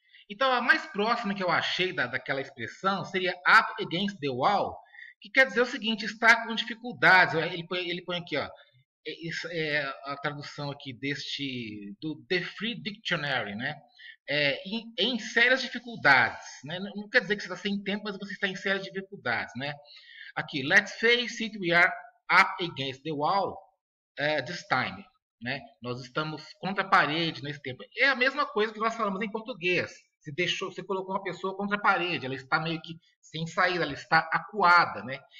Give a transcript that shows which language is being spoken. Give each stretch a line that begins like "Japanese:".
Portuguese: Então, a mais próxima que eu achei daquela expressão seria
English: up against the wall,
Portuguese: que quer dizer o seguinte: está com dificuldades. Ele põe aqui, ó, isso é a tradução aqui deste do The Free Dictionary, né? Em sérias dificuldades, né? Não quer dizer que você está sem tempo, mas você está em sérias dificuldades, né?
English: Aqui, let's face it, we are up against the wall this time, né?
Portuguese: Nós estamos contra a parede nesse tempo. É a mesma coisa que nós falamos em português. Você colocou uma pessoa contra a parede, ela está meio que sem saída, ela está acuada, né?